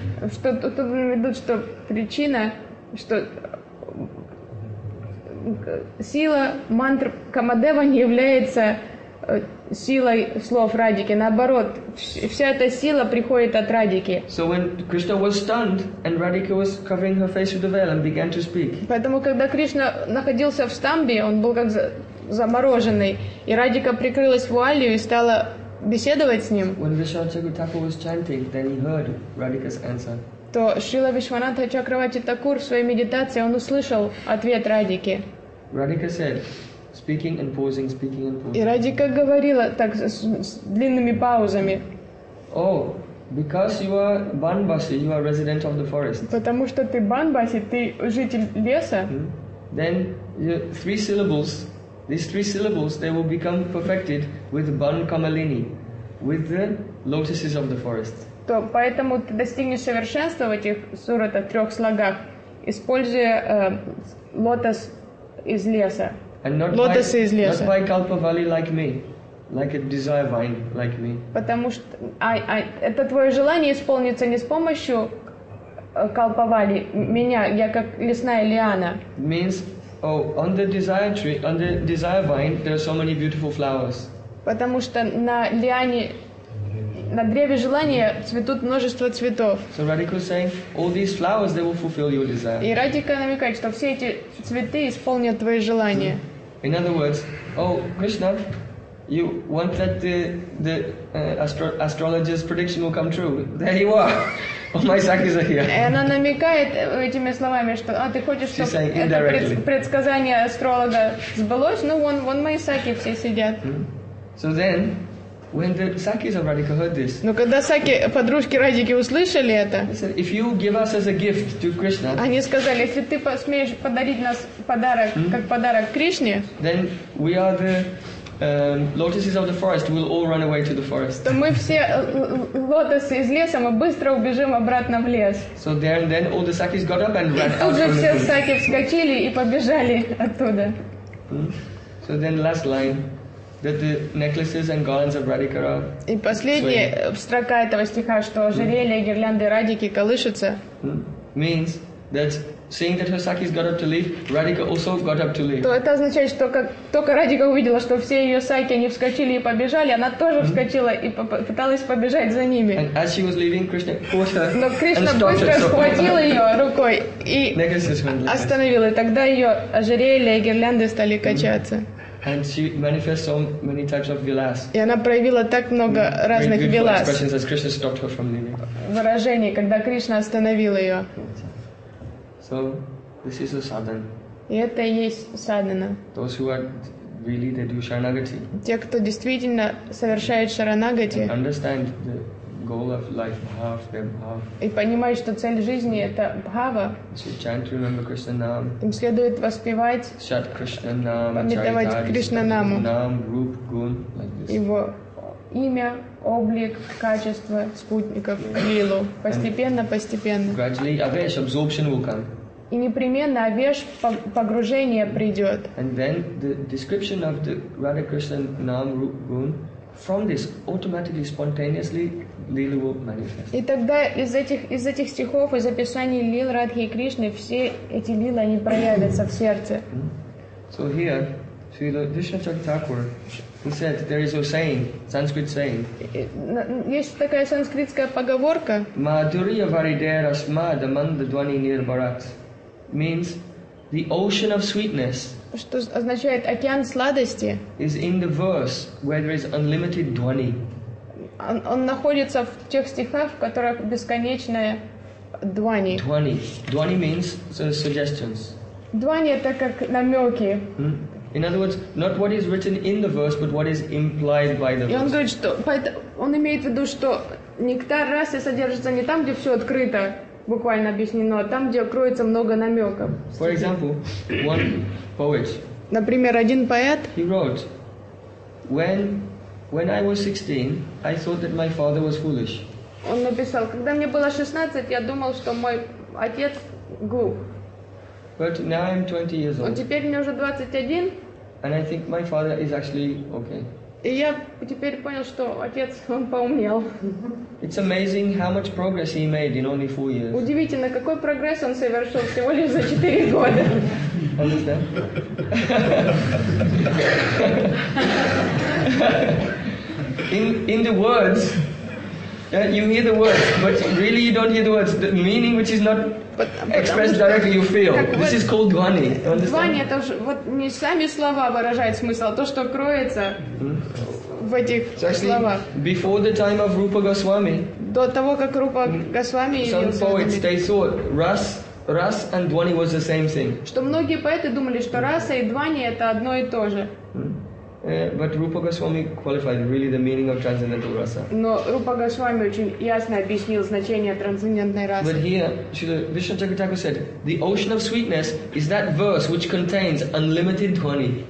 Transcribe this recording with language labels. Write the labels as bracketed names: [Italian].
[Russian] Что тут ведут, что причина, что сила мантр Камадева не является силой слов Радики. Наоборот, вся эта сила приходит от Радики. [English] So when Krishna was stunned and Radhika was covering her face with the veil and began to speak. [Russian] Поэтому когда Кришна находился в стамбе, он был как замороженный, и Радика прикрылась вуалью и стала беседовать с ним. [English] When Vishwanatha Thakur was chanting, then he heard Radhika's answer. [Russian] То Шрила Вишванатха Чакравати Такур в своей медитации он услышал ответ Радики. [English] Radhika said, speaking and pausing, speaking and pausing. [Russian] И Радика говорила так с длинными паузами. [English] Oh, because you are Banbasi, you are resident of the forest. [Russian] Потому что ты Банбаси, ты житель леса. [English] Then three syllables, these three syllables, they will become perfected with Ban Kamalini, with the lotuses of the forest. [Russian] То поэтому ты достигнешь совершенства в этих суратах трех слогах, используя лотос из леса. [English] And not Lotus by is not lesser. By Kalpavali like me, like a desire vine like me. [Russian] Потому что это твое желание исполнится не с помощью Kalpavali меня, я как лесная лиана. [English] Means, oh, on the desire tree, on the desire vine, there are so many beautiful flowers. [Russian] Потому что на лиане, на древе желания цветут множество цветов. [English] So Radhika was saying, all these flowers, they will fulfill your desire. [Russian] И Радика намекает, что все эти цветы исполнят твои желания. [English] In other words, oh, Krishna, you want that the astrologer's prediction will come true. There you are. All my sakis are here. [Russian] И она намекает этими словами, что, а, ты хочешь, [English] She's [Russian] чтобы это предсказание астролога сбылось? Ну, вон мои саки все сидят. [English] So then, when the sakis of Radhika heard this, [Russian] ну когда саки подружки Радики услышали это, [English] if you give us as a gift to Krishna, [Russian] они сказали, если ты посмеешь подарить нас подарок как подарок Кришне, [English] then we are the lotuses of the forest, we'll all run away to the forest. [Russian] То ми всі лотоси із лісу, ми швидко убіжимо обратно в ліс. [English] So then all the sakis got up and ran. [Russian] І тут же всі саки вскочили і побіжали оттуда. [English] So then last line, that the necklaces and garlands of Radhikara. [Russian] І последняя строка этого стиха, что ожерелья, гирлянды Радики колышутся. [English] Means that seeing that her sakis got up to leave, Radhika also got up to leave. [Russian] То это означает, что как только Радика увидела, что все ее саки они вскочили и побежали, она тоже вскочила и попыталась побежать за ними. [English] And as she was leaving, Krishna caught her. [Russian] Но Кришна быстро схватил ее рукой и остановил, и тогда ее ожерелья и гирлянды стали качаться. [English] And she manifests so many types of vilas. [Russian] И она проявила так много разных vilas. [English] Expressions as Krishna stopped her from leaving. [Russian] Выражение, когда Кришна остановил ее. [English] So this is a sadhana. [Russian] И это и есть sadhana. [English] Those who are really they do sharanagati. [Russian] Те, кто действительно совершает шаранагати. [English] Understand the goal of life, bhava, them bhava. [Russian] И понимают, что цель жизни это bhava. [English] So chant, remember Krishna nam. [Russian] Им следует воспевать. [English] Chant Krishna nam. [Russian] Памятовать Кришна наму. [English] Нам, руп, гун, like this. [Russian] Его имя, облик, качество спутников, лилу. Постепенно, постепенно. [English] Gradually, avesh, absorption will come. [Russian] И непременно авеш погружение придет. [English] And then the description of the Radha Krishna Nam Rup Gun, from this automatically, spontaneously, Lila will manifest. [Russian] И тогда из этих стихов, из описаний лил Радхи и Кришны, все эти лилы, они проявятся в сердце. [English] So here, Srila Vishnuchak Thakur, he said, there is a saying, Sanskrit saying. [Russian] Есть такая санскритская поговорка. [Sanskrit] Madhurya varidera smad amanda dvani nirbarat. [English] Means the ocean of sweetness. [Russian] Что означает океан сладости? [English] Is in the verse where there is unlimited dvani. [Russian] Он находится в тех стихах, в которых бесконечная dvani. [English] Dvani. Dvani means suggestions. [Russian] Dvani это как намеки. [English] In other words, not what is written in the verse, but what is implied by the verse. [Russian] И он говорит, что он имеет в виду, что нектар расы содержится не там, где все открыто, буквально объяснено, а там, где кроется много намеков. [English] For example, one poet. [Russian] Например, один поэт. [English] He wrote, when I was 16, I thought that my father was foolish. [Russian] Он написал, когда мне было 16, я думал, что мой отец глуп. [English] But now I'm 20 years old. [Russian] Теперь мне уже 21. [English] And I think my father is actually okay. [Russian] И я теперь понял, что отец он поумнел. [English] It's amazing how much progress he made in only 4 years. [Russian] Удивительно, какой прогресс он совершил всего лишь за 4 года. [English] Understand? In the words. You hear the words, but really you don't hear the words. The meaning which is not expressed directly, you feel. This is called dvani. [Russian] Dvani – это ж, вот не сами слова выражают смысл, а то, что кроется в этих словах. [English] Before the time of Rupa Goswami, [Russian] до того, как Рупа Госвами [English] some poets, they thought ras and dvani was the same thing. [Russian] Что многие поэты думали, что раса и dvani – это одно и то же. [English] But Rupa Goswami qualified really the meaning of transcendental rasa. [Russian] Но Рупа Госвами очень ясно объяснил значение трансцендентной расы. [English] But here, Srila Vishnuchak Thakur said, the ocean of sweetness is that verse which contains unlimited dvani.